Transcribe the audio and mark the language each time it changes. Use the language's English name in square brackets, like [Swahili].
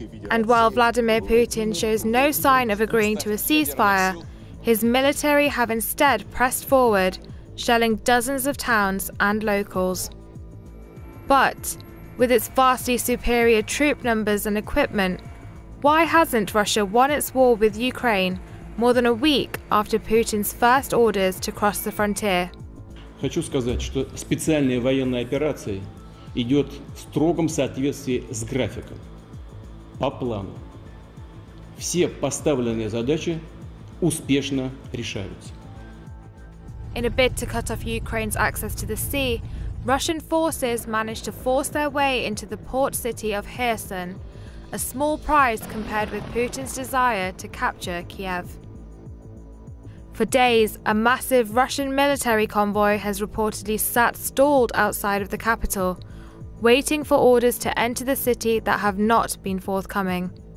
[English] And while Vladimir Putin shows no sign of agreeing to a ceasefire, his military have instead pressed forward, shelling dozens of towns and locals. But with its vastly superior troop numbers and equipment, why hasn't Russia won its war with Ukraine more than a week after Putin's first orders to cross the frontier? [Russian] Хочу сказать, что специальная военная операция идет в строгом соответствии с графиком, по плану. Все поставленные задачи успешно решаются. [English] In a bid to cut off Ukraine's access to the sea, Russian forces managed to force their way into the port city of Kherson, a small prize compared with Putin's desire to capture Kiev. For days, a massive Russian military convoy has reportedly sat stalled outside of the capital, waiting for orders to enter the city that have not been forthcoming.